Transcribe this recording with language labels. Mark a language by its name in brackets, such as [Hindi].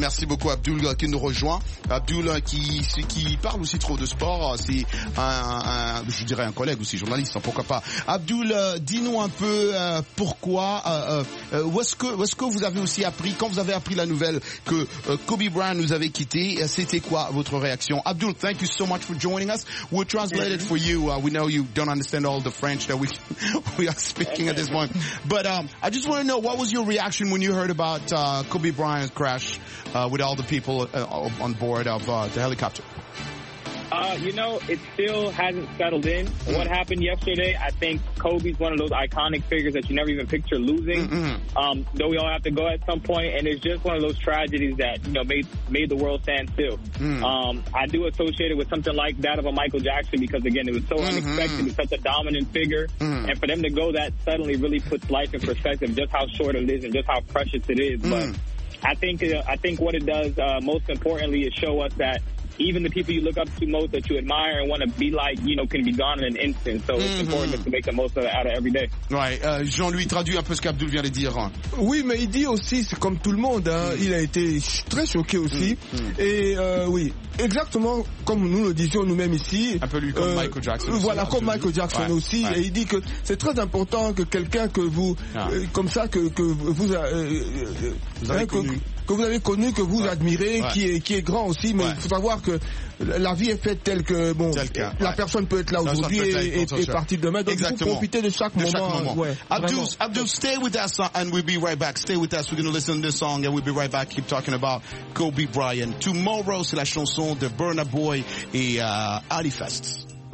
[French] Merci beaucoup Abdul qui nous rejoint. Abdul qui parle aussi trop de sport. C'est je dirais un collègue aussi journaliste. Hein, pourquoi pas. Abdul, dis-nous un peu pourquoi. Où est-ce que vous avez aussi appris, quand vous avez appris la nouvelle que Kobe Bryant nous avait quitté, c'était quoi votre réaction? [English] Abdul, thank you so much for joining us. We'll translate it for you. We know you don't understand all the French that we are speaking at this point. But I just want to know, what was your reaction when you heard about Kobe Bryant crash with all the people on board of the helicopter? You know, it still hasn't settled in. What happened yesterday, I think Kobe's one of those iconic figures that you never even picture losing. Mm-hmm. Though we all have to go at some point, and it's just one of those tragedies that, you know, made the world stand still. Mm. I do associate it with something like that of a Michael Jackson, because again, it was so unexpected. Mm-hmm. He's such a dominant figure. Mm. And for them to go that suddenly really puts life in perspective, just how short it is and just how precious it is. Mm. But I think what it does, most importantly, is show us that even the people you look up to most, that you admire and want to be like, you know, can be gone in an instant. So it's important to make the most of it out of every day. Right. [French] Jean-Louis, traduit un peu ce qu'Abdul vient de dire. Oui, mais il dit aussi, c'est comme tout le monde, hein. Il a été très choqué aussi. Et oui, exactement comme nous le disions nous-mêmes ici. Un peu lui comme Michael Jackson. Voilà, comme Michael Jackson aussi. Ouais. Et il dit que c'est très important que quelqu'un que vous, comme ça, que vous avez connu, que vous admirez, qui est grand aussi, mais il faut savoir que la vie est faite telle que la personne peut être là aujourd'hui et partir demain. Donc il faut profiter de chaque moment. [English] Abdul, stay with us and we'll be right back. Stay with us. We're going to listen to this song and we'll be right back. Keep talking about Kobe Bryant. [French] Tomorrow, c'est la chanson de Burna Boy et Ali Fest.